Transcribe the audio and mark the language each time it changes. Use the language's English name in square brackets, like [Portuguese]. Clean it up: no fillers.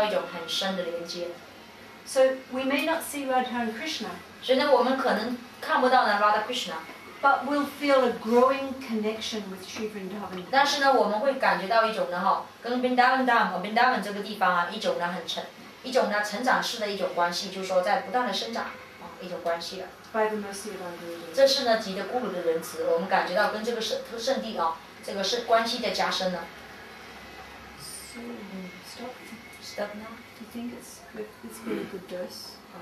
[Chinese] 哦，但是如果一个人真正在内心里面哈，很深的去服务他的Guru，那么他去到圣地的话呢，会感觉到一种很深的连接。So [English] we may not see Radha and Krishna. [Chinese] 所以呢，我们可能看不到呢 Radha Krishna。 [English] But we'll feel a growing connection with Sri Vrindavan. [Chinese] 但是呢，我们会感觉到一种呢哈，跟 Vrindavan 这个地方啊，一种呢成长式的一种关系，就是说在不断的生长啊一种关系了。 [English] By the mercy of our Guru. [Chinese] 这是呢，极的咕噜的仁慈，我们感觉到跟这个圣地啊，这个是关系的加深呢。So [English] stop now. Do you think it's been a good dose?